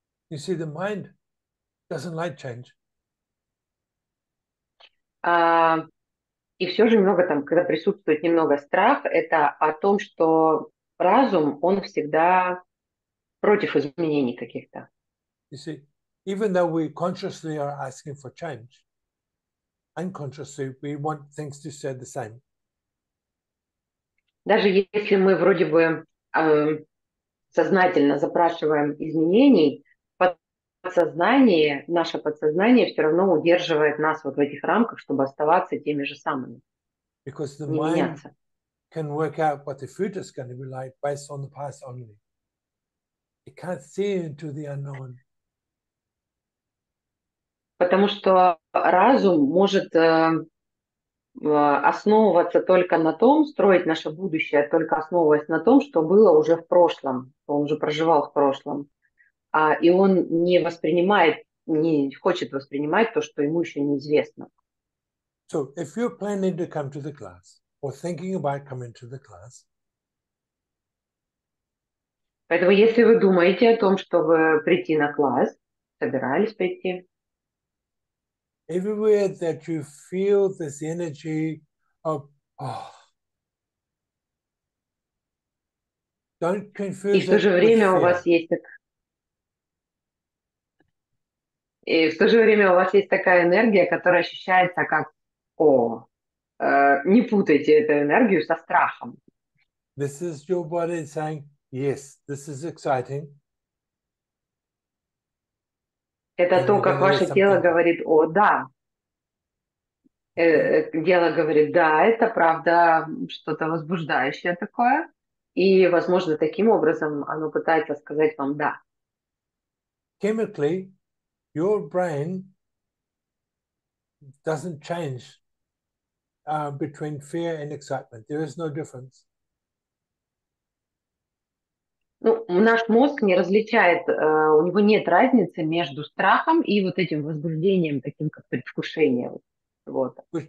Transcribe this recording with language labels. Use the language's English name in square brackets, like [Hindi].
[English] You see, the mind doesn't like change. [Russian] И все же немного там, когда присутствует немного страх, это о том, что разум, он всегда против изменений каких-то. [English] You see, even though we consciously are asking for change, unconsciously we want things to stay the same. [Russian] Даже если мы вроде бы сознательно запрашиваем изменений, наше подсознание все равно удерживает нас вот в этих рамках, чтобы оставаться теми же самыми. [English] Because the [Russian] не [English] mind [Russian] меняться. [English] Can work out what the future is going to be like based on the past only. It can't see into the unknown. [Russian] Потому что разум может основываться только на том, строить наше будущее, только основываясь на том, что было уже в прошлом, что он уже проживал в прошлом. И он не воспринимает, не хочет воспринимать то, что ему еще неизвестно. [English] So, if you're planning to come to the class, or thinking about coming to the class, [Russian] поэтому, если вы думаете о том, чтобы прийти на класс, собирались прийти, [English] everywhere that you feel this energy of, oh, don't confuse [Russian] и в то же время у вас есть так... И в то же время у вас есть такая энергия, которая ощущается как о, не путайте эту энергию со страхом. [English] This is your body saying, yes, this is exciting. [Russian] Это то, как ваше тело говорит, о, да. Тело говорит, да, это правда что-то возбуждающее такое. И, возможно, таким образом оно пытается сказать вам да. [English] Chemically, your brain doesn't change between fear and excitement. There is no difference. [Russian] Наш мозг не различает, у него нет разницы между страхом и вот этим возбуждением, таким как предвкушение чего-то.